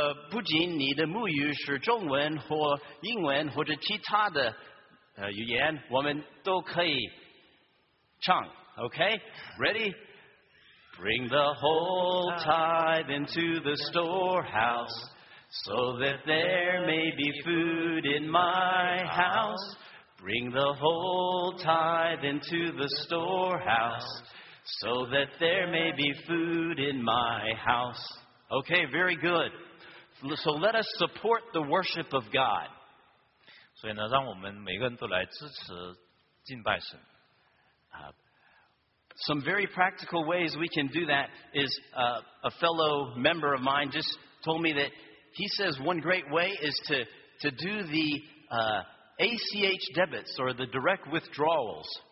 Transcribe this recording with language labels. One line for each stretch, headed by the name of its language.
Chinese: 不仅你的母语是中文或英文或者其他的语言，我们都可以唱。
English: Okay? Ready? Bring the whole tithe into the storehouse so that there may be food in my house. Bring the whole tithe into the storehouse so that there may be food in my house. Okay, very good. So let us support the worship of God.
Chinese: 所以呢，让我们每个人都来支持敬拜神。
English: Some very practical ways we can do that is a fellow member of mine just told me that he says one great way is to do the ACH debits or the direct withdrawals.